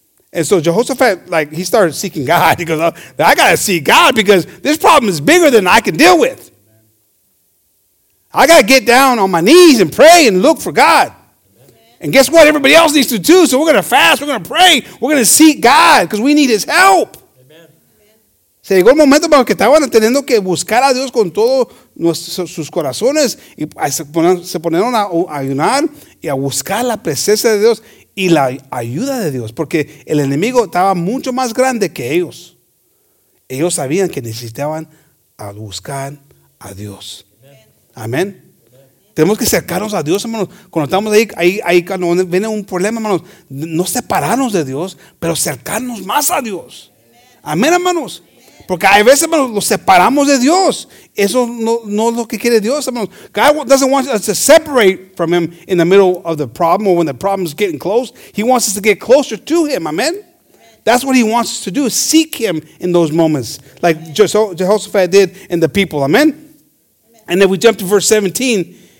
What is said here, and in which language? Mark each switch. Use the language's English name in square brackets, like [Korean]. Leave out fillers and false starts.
[English] And so Jehoshaphat, like, he started seeking God. He goes, I gotta seek God because this problem is bigger than I can deal with. I gotta get down on my knees and pray and look for God. And guess what? Everybody else needs to too. So we're gonna fast. We're gonna pray. We're gonna seek God because we need His help. [Spanish] Se llegó el momento para que estaban teniendo que buscar a Dios con todos sus corazones y se ponieron a ayunar y a buscar la presencia de Dios y la ayuda de Dios porque el enemigo estaba mucho más grande que ellos. Ellos sabían que necesitaban a buscar a Dios. Amén. Tenemos que acercarnos a Dios, hermanos. Cuando estamos ahí cuando viene un problema, hermanos, no separarnos de Dios, pero acercarnos más a Dios. Amén, hermanos. Porque a veces, hermanos, nos separamos de Dios. Eso no es lo que quiere Dios, hermanos. [English] God doesn't want us to separate from him in the middle of the problem or when the problem is getting close. He wants us to get closer to him, amen? Amen. That's what he wants us to do, seek him in those moments. Like Jehoshaphat did in the people, amen? And then we jump to verse 17.